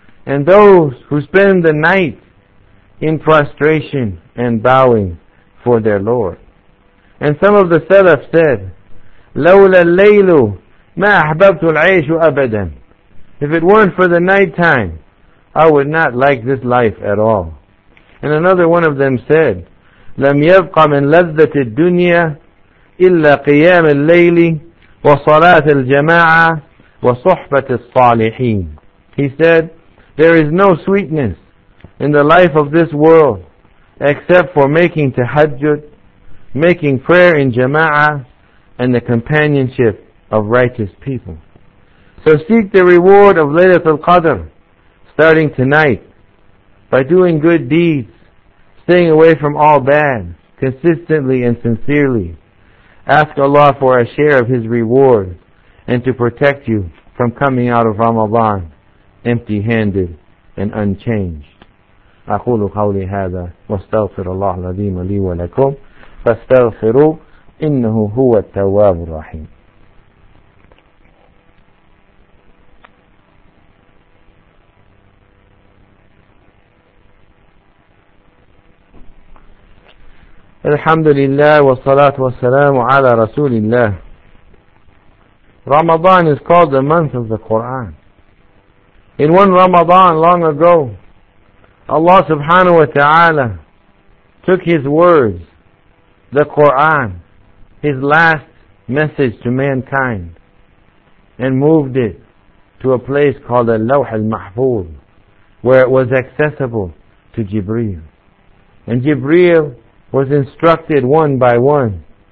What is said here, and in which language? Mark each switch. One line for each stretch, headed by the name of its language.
English: And those who spend the night in prostration and bowing for their Lord. And some of the Salaf said,
Arabic: لَوْلَا اللَّيْلُ مَا أَحْبَبْتُ الْعَيْشُ أَبَدًا.
English: If it weren't for the night time, I would not like this life at all. And another one of them said,
Arabic: لَمْ يَبْقَ مِنْ لَذَّةِ الدُّنْيَا إِلَّا قِيَامِ اللَّيْلِ وَصَلَاةِ الْجَمَاعَةِ وَصُحْبَةِ الصَّالِحِينَ.
English: He said, there is no sweetness in the life of this world except for making tahajjud, making prayer in jama'ah, and the companionship of righteous people. So seek the reward of Laylatul Qadr starting tonight by doing good deeds, staying away from all bad consistently and sincerely. Ask Allah for a share of His reward and to protect you from coming out of Ramadan empty-handed and unchanged.
Arabic: أَقُولُ قَوْلِ هَذَا وَاسْتَغْفِرُ اللَّهَ الْعَظِيمَ لِي وَلَكُمْ فَاسْتَغْفِرُوا إِنَّهُ هُوَ التَّوَّابُ الرَّحِيمُ. الحمد لله والصلاة والسلام على رسول الله.
English: Ramadan is called the month of the Quran. In one Ramadan long ago, Allah subhanahu wa ta'ala took His words, the Quran, His last message to mankind, and moved it to a place called al-Lawh al-Mahfuz, where it was accessible to Jibreel. And Jibreel was instructed one by one